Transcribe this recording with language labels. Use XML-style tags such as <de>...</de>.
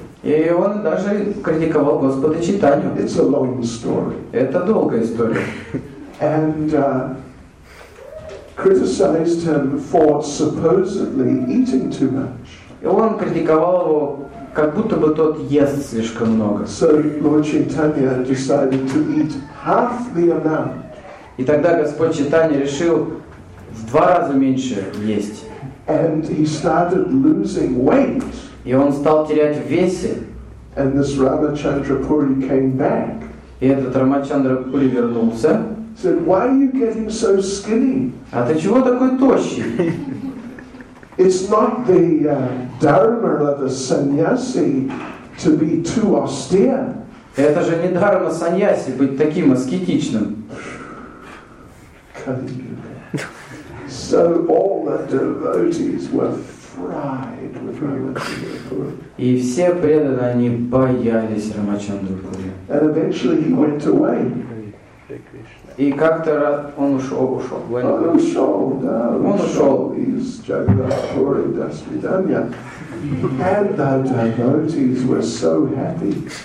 <ru>И он даже критиковал Господа Чайтанью.</ru> <en>It's a long story.</en> <ru>Это долгая история.</ru> <en>And criticized him for supposedly eating too much.</en> <ru>И он критиковал его, как будто бы тот ест слишком много.</ru> <en>So Lord Chaitanya decided to eat half the amount.</en> <ru>И тогда Господь Чайтанья решил в два раза меньше есть.</ru> <en>And he started losing weight.</en> <ru>И он стал терять в весе.</ru> <en>And this Ramachandra Puri came back.</en> <ru>И этот Рамачандра Пури вернулся.</ru> <en>Said, why are you getting so skinny?</en> <ru>А ты чего такой тощий?</ru> <en>It's not the dharma of a sannyasi to be too austere.</en> <ru>Это же не дхарма саньяси быть таким аскетичным.</ru> <en>So all the devotees were fried with Ramachandra.</en> <ru>И все преданные они боялись Рамачандру Пури.</ru> <en>And eventually he went away.</en> <ru>И как-то он ушел. Он ушел.</ru> <en>He's Jagannath Puri Dasvidanya. And the devotees were so happy.</en>